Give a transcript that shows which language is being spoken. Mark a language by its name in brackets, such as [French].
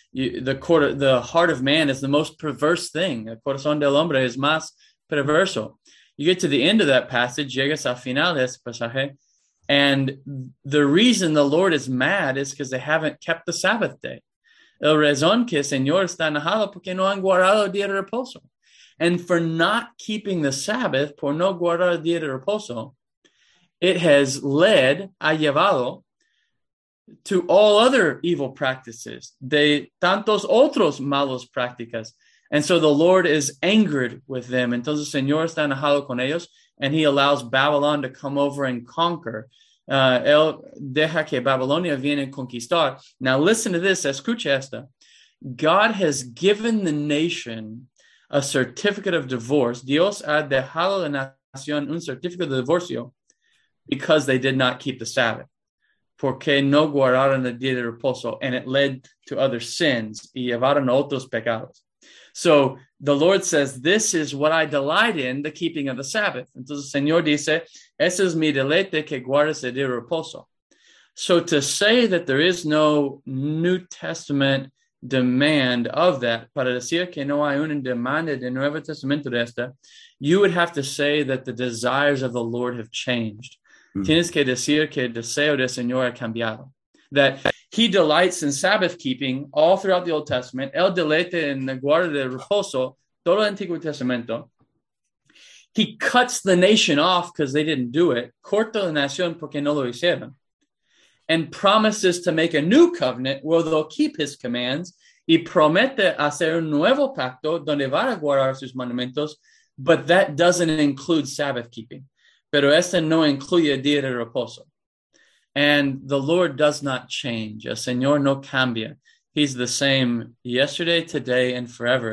[English] The heart of man is the most perverse thing. [Spanish] El corazón del hombre es más perverso. [English] You get to the end of that passage, [Spanish] llegas al final de ese pasaje, [English] and the reason the Lord is mad is because they haven't kept the Sabbath day. [Spanish] El razón que el Señor está enojado porque no han guardado el día de reposo. [English] And for not keeping the Sabbath, [Spanish] por no guardar el día de reposo, [English] it has led, [Spanish] ha llevado, [English] to all other evil practices, [Spanish] de tantos otros malos prácticas. [English] And so the Lord is angered with them. [Spanish] Entonces el Señor está enojado con ellos, [English] and he allows Babylon to come over and conquer. [Spanish] Él deja que Babilonia viene a conquistar. [English] Now listen to this, [Spanish] escucha esto. [English] God has given the nation a certificate of divorce. [Spanish] Dios ha dejado la nación un certificado de divorcio [English] because they did not keep the Sabbath. [Spanish] Porque no guardaron el día de reposo, [English] and it led to other sins [Spanish] y llevaron otros pecados. [English] So the Lord says, this is what I delight in, the keeping of the Sabbath. [Spanish] Entonces el Señor dice, ese es mi deleite que guardes el día de reposo. [English] So to say that there is no New Testament demand of that, [Spanish] para decir que no hay una demanda de Nuevo Testamento de esta, [English] you would have to say that the desires of the Lord have changed. Mm-hmm. [Spanish] Tienes que decir que el deseo del Señor ha cambiado. [English] That he delights in Sabbath keeping all throughout the Old Testament. [Spanish] El deleite en la guarda de reposo, todo el Antiguo Testamento. [English] He cuts the nation off because they didn't do it. [Spanish] Corta la nación porque no lo hicieron. [English] And promises to make a new covenant where they'll keep his commands. [Spanish] Y promete hacer un nuevo pacto donde van a guardar sus mandamientos. [English] But that doesn't include Sabbath keeping. [Spanish] Pero este no incluye día de reposo. [English] And the Lord does not change. [Spanish] El Señor no cambia. [English] He's the same yesterday, today, and forever.